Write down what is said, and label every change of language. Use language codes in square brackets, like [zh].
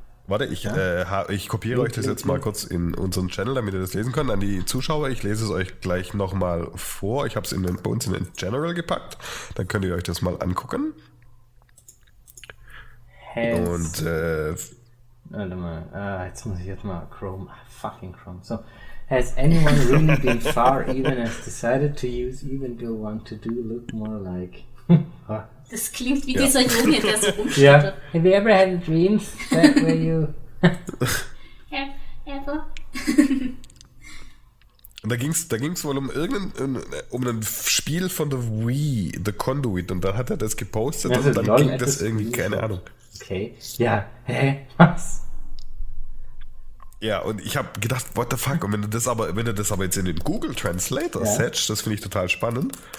[de] Warte, ich kopiere euch das jetzt mal kurz in unseren Channel, damit ihr das lesen könnt. An die Zuschauer, ich lese es euch gleich nochmal vor. Ich habe es bei uns in den General gepackt. Dann könnt ihr euch das mal angucken. Und warte mal. Jetzt muss ich jetzt mal Chrome. [en] Fucking Chrome. So. Has anyone really been far even as decided to use even though want to do look more like? [de] Das klingt wie dieser Junge, der so rumschaut. [en] Yeah. Have you ever had dreams that were you? Ever? [de] Da ging's wohl um ein Spiel von The Wii, The Conduit, und dann hat er das gepostet, also, und dann ging das irgendwie, Wii, keine Ahnung. Okay, ja, was? Ja, und ich habe gedacht, [en] what the fuck, [de] und wenn du das aber jetzt in den Google Translator setzt, das finde ich total spannend.